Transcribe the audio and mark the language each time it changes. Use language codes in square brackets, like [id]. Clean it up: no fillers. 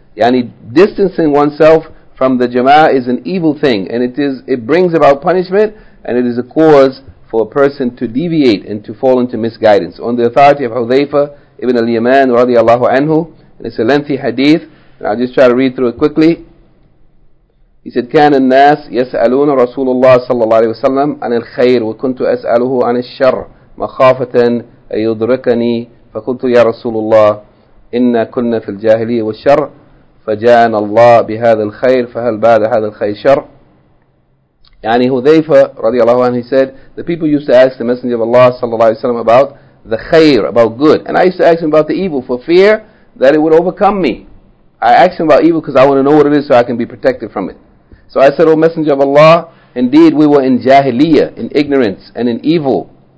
[en] Yani, distancing oneself from the jama'ah is an evil thing, and it brings about punishment, and it is a cause for a person to deviate and to fall into misguidance. On the authority of Hudhayfa ibn al-Yaman radiallahu anhu, and it's a lengthy hadith, and I'll just try to read through it quickly. He said, [ar] كان الناس يسألون رسول الله صلى الله عليه وسلم عن الخير وكنت أسأله عن الشر مخافة أن يدركني فقلت يا رسول الله إنا كنا في الجاهلية والشر فجاءنا الله بهذا الخير فهل بعد هذا الخير شر. [en] Yani Hudhayfa radiallahu anhu, he said, the people used to ask the Messenger of Allah sallallahu alayhi wa sallam about the khayr, about good. And I used to ask him about the evil for fear that it would overcome me. I asked him about evil because I want to know what it is so I can be protected from it. So I said, O Messenger of Allah, indeed we were in jahiliyyah, in ignorance and in evil.